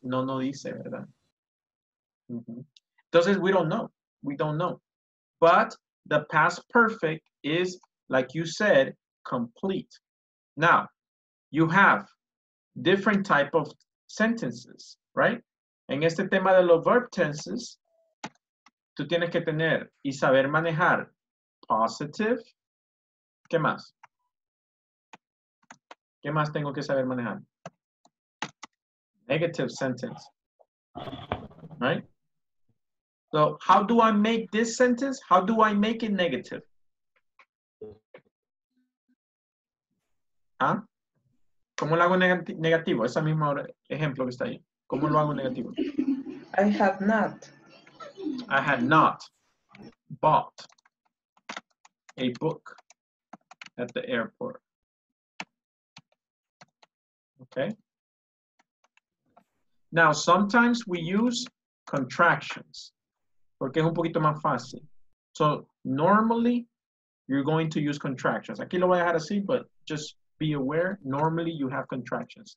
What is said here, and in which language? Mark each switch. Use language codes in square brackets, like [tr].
[es] No, no dice, ¿verdad? [en] Mm-hmm. [es] Entonces, [en] we don't know. We don't know. But the past perfect is, like you said, complete. Now, you have different type of sentences, right? [es] En este tema de los verb tenses, tú tienes que tener y saber manejar positive, ¿Qué más? ¿Qué más tengo que saber manejar? [en] Negative sentence. Right? So, how do I make this sentence? How do I make it negative? [es] ¿Ah? ¿Cómo lo hago negativo? Ese mismo ejemplo que está ahí. ¿Cómo lo hago negativo? [en] I have not. I have not bought a book at the airport. Okay. Now, sometimes we use contractions [es] porque es un poquito más fácil. [en] So, normally, you're going to use contractions. [es] Aquí lo voy a dejar así, [en] but just be aware, normally you have contractions.